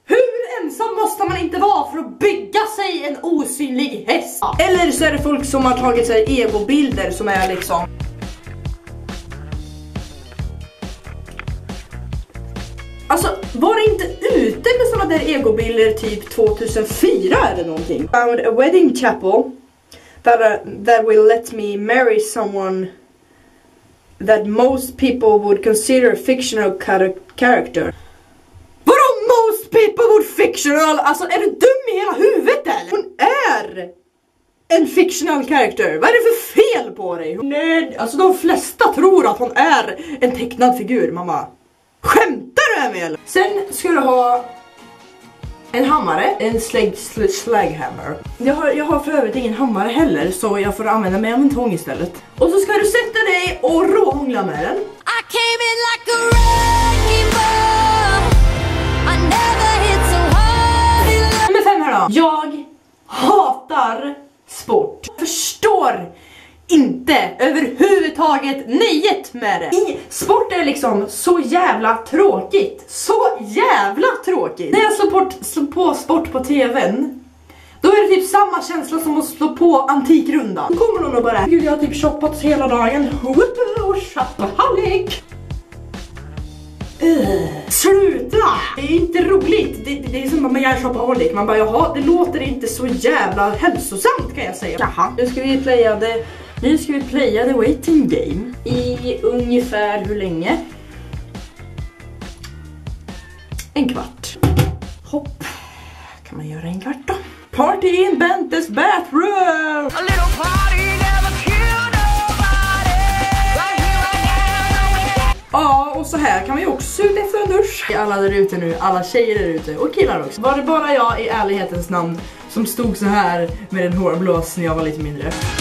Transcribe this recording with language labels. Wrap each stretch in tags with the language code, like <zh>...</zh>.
<sv>Hur ensam måste man inte vara för att bygga sig en osynlig häst? Eller så är det folk som har tagit sig ego-bilder som är liksom... Alltså, var det inte ute med sådana där ego-bilder typ 2004 eller någonting?</sv> <en>Found a wedding chapel that will let me marry someone that most people would consider a fictional character.</en> <sv>Vadå</sv> <en>most people would fictional?</en> <sv>Alltså är du dum i hela huvudet eller? Hon är en</sv> <en>fictional character.</en> <sv>Vad är det för fel på dig? Nej, alltså de flesta tror att hon är en tecknad figur, mamma. Skämtar du med mig eller? Sen ska du ha en hammare, en slaghammer. Jag har för övrigt ingen hammare heller, så jag får använda mig av en tång istället. Och så ska du sätta dig och råhångla med den.</sv> <en>I came in like a wrecking ball. I never hit so hard in love.</en> <sv>Nummer 5 här då. Jag hatar sport. Jag förstår inte överhuvudtaget nöjet med det. Sport är liksom så jävla tråkigt. Så jävla tråkigt. När jag slår på sport på tvn, då är det typ samma känsla som att slå på antikrundan. Då kommer hon och bara, gud jag har typ shoppat hela dagen.</sv> <en>Shopaholic.</en> <sv>Sluta. Det är inte roligt. Det är som att man gör shopaholic. Man bara, jaha, det låter inte så jävla hälsosamt kan jag säga. Jaha. Nu ska vi playa det. Nu ska vi playa</sv> <en>the waiting game.</en> <sv>I ungefär hur länge? En kvart. Hopp. Kan man göra en kvart då?</sv> <en>Party in Bentes bathroom! A little party never killed nobody. Right here, right now.</en> <sv>Ja, och så här kan man ju också se ut efter en dusch. Alla där ute nu, alla tjejer där ute och killar också. Var det bara jag i ärlighetens namn som stod så här med en hårblås när jag var lite mindre?</sv>